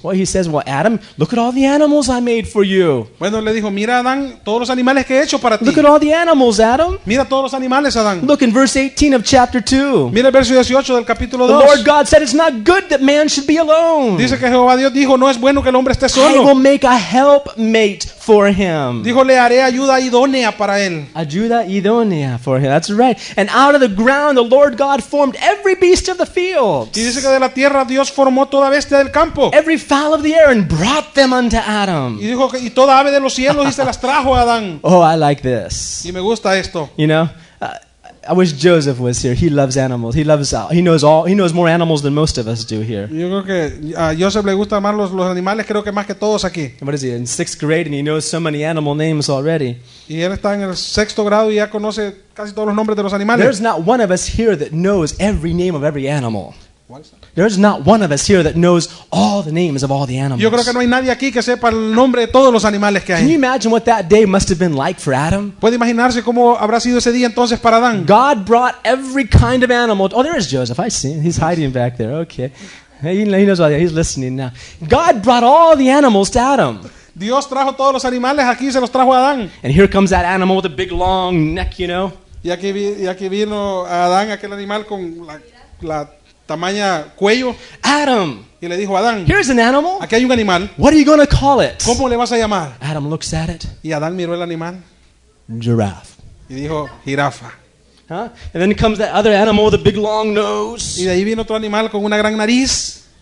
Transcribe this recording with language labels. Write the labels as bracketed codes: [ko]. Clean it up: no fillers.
[en] Well, he says, well, Adam, look at all the animals I made for you. [es] Bueno, le dijo, mira, Adán, todos los animales que he hecho para ti. [en] Look at all the animals, Adam. [es] Mira todos los animales, Adán. [en] Look in verse 18 of chapter 2. [es] Mira el verso 18 del capítulo 2. [en] The Lord God said, it's not good that man should be alone. [es] Dice que Jehová Dios dijo, no es bueno que el hombre esté solo. [en] I will make a help mate for him. [es] Dijo, le haré ayuda idónea para él. Ayuda idónea [en] for him. That's right. And out of the ground, the Lord God formed every beast of the field. [es] Y dice que de la tierra Dios formó toda bestia del campo. [en] Every fowl of the air and brought them unto Adam. [es] Y dijo que y toda ave de los cielos y se las trajo a Adán. [en] Oh, I like this. [es] Y me gusta esto. [en] You know, I wish Joseph was here. He loves animals. He loves all. He knows all. He knows more animals than most of us do here. [es] Yo creo que a Joseph le gusta amar los animales. Creo que más que todos aquí. [en] What is he in sixth grade and he knows so many animal names already? [es] Y él está en el sexto grado y ya conoce casi todos los nombres de los animales. [en] There's not one of us here that knows every name of every animal. There's not one of us here that knows all the names of all the animals. [es] Yo creo que no hay nadie aquí que sepa el nombre de todos los animales que hay. [en] Can you imagine what that day must have been like for Adam? [es] ¿Puede imaginarse cómo habrá sido ese día entonces para Adán? [en] God brought every kind of animal. Oh, there is Joseph. I see him. He's hiding back there. Okay. He knows all. He's listening now. God brought all the animals to Adam. [es] Dios trajo todos los animales aquí, se los trajo a Adán. [en] And here comes that animal with a big long neck, you know. [es] Y aquí vino a Adán aquel animal con la tamaña cuello. [en] Adam. [es] Y le dijo a Adán. [en] Here's an animal. [es] Aquí hay un animal. [en] What are you going to call it? [es] ¿Cómo le vas a llamar? [en] Adam looks at it. [es] Y Adán miró el animal. [en] Giraffe. [es] Y dijo, jirafa. Huh? [en] And then comes that other animal with a big long nose. [es] Y de ahí viene otro animal con una gran nariz.